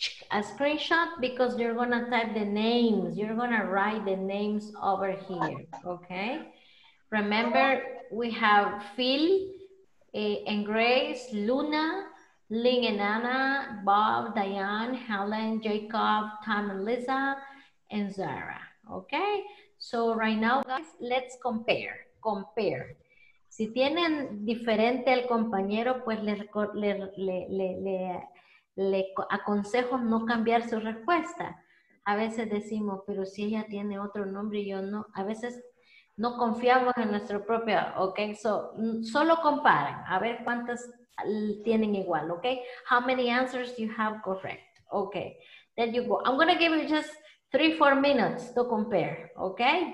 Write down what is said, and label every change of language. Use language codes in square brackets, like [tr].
[en] A screenshot, because you're gonna type the names. You're gonna write the names over here, okay? Remember, we have Phil and Grace, Luna, Ling and Anna, Bob, Diane, Helen, Jacob, Tom and Lisa, and Zara, okay? So right now, guys, let's compare, compare. [es] Si tienen diferente al compañero, pues le aconsejo no cambiar su respuesta. A veces decimos, pero si ella tiene otro nombre y yo no. A veces no confiamos en nuestro propio, ok? So, solo comparen, a ver cuántas tienen igual, ok? [en] How many answers you have correct, ok? There you go. I'm going to give you just 3-4 minutes to compare, ok?